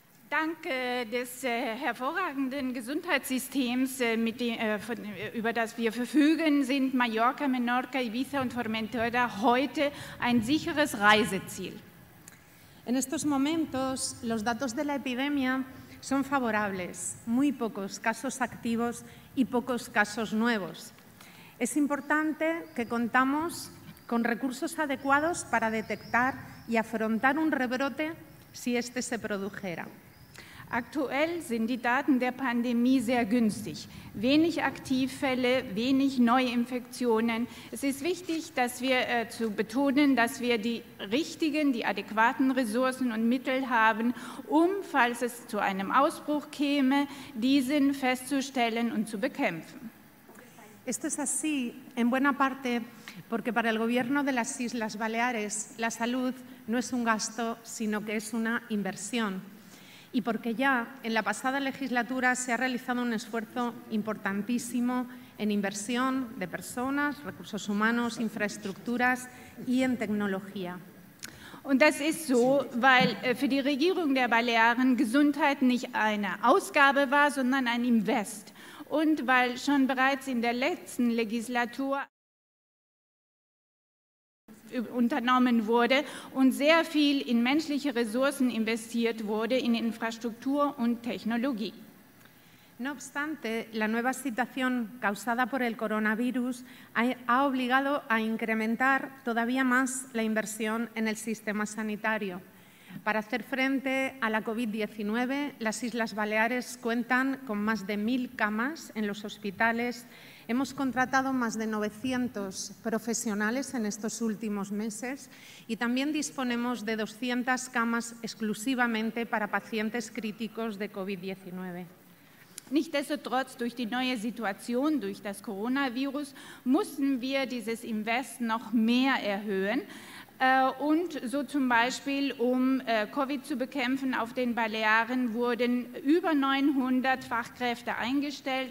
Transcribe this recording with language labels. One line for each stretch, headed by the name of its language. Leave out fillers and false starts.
German: Dank des hervorragenden Gesundheitssystems, über das wir verfügen, sind Mallorca, Menorca, Ibiza und Formentera heute ein sicheres Reiseziel.
Spanish: En estos momentos, los datos de la epidemia son favorables, muy pocos casos activos y pocos casos nuevos. Es importante que contamos con recursos adecuados para detectar y afrontar un rebrote si este se produjera.
German: Aktuell sind die Daten der Pandemie sehr günstig. Wenig Aktivfälle, wenig Neuinfektionen. Es ist wichtig, dass wir zu betonen, dass wir die richtigen, die adäquaten Ressourcen und Mittel haben, um, falls es zu einem Ausbruch käme, diesen festzustellen und zu bekämpfen.
Spanish: Esto es así en buena parte porque para el gobierno de las Islas Baleares la salud no es un gasto, sino que es una inversión. Y porque ya en la pasada legislatura se ha realizado un esfuerzo importantísimo en inversión de personas, recursos humanos, infraestructuras y en tecnología.
German: Und das ist so, weil für die Regierung der Balearen Gesundheit nicht eine Ausgabe war, sondern ein Invest. Und weil schon bereits in der letzten Legislatur unternommen wurde und sehr viel in menschliche Ressourcen investiert wurde, in Infrastruktur und Technologie.
Spanish: No obstante, la nueva situación causada por el coronavirus ha obligado a incrementar todavía más la inversión en el sistema sanitario. Para hacer frente a la COVID-19, las Islas Baleares cuentan con más de 1.000 camas en los hospitales. Hemos contratado más de 900 profesionales en estos últimos meses y también disponemos de 200 camas exclusivamente para pacientes críticos de COVID-19.
German: Nichtsdestotrotz, durch die neue Situation, durch das Coronavirus, mussten wir dieses Invest noch mehr erhöhen. Und so zum Beispiel, um Covid zu bekämpfen auf den Balearen, wurden über 900 Fachkräfte eingestellt.